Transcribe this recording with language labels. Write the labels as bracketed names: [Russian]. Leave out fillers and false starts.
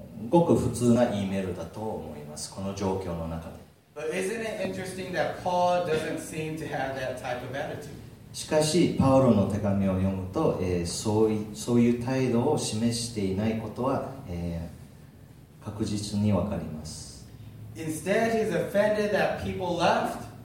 [Japanese] ごく普通な E メールだと思います。この状況の中で。 [English] But isn't it interesting that Paul doesn't seem to have that type of attitude? [Japanese] しかし、パウロの手紙を読むと、そういう態度を示していないことは、確実にわかります。 [English] Instead, he's offended that people left.